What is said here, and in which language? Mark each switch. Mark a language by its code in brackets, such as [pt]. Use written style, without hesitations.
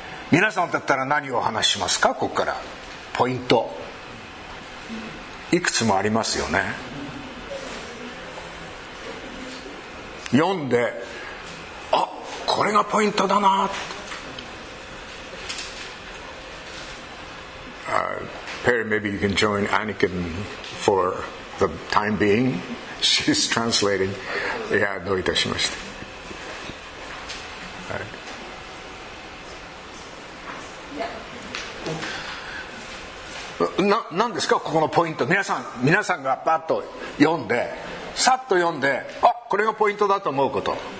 [ja] 皆さんだったら何をお話しますか。ここからポイントいくつもありますよね。読んで、あ、これがポイントだな。 [en] Perry, maybe you can join Anakin for the time being. She's translating. [ja] Yeah, どういたしまして。なんですか、ここのポイント。皆さんがパッと読んで、さっと読んで、あ、これがポイントだと思うこと。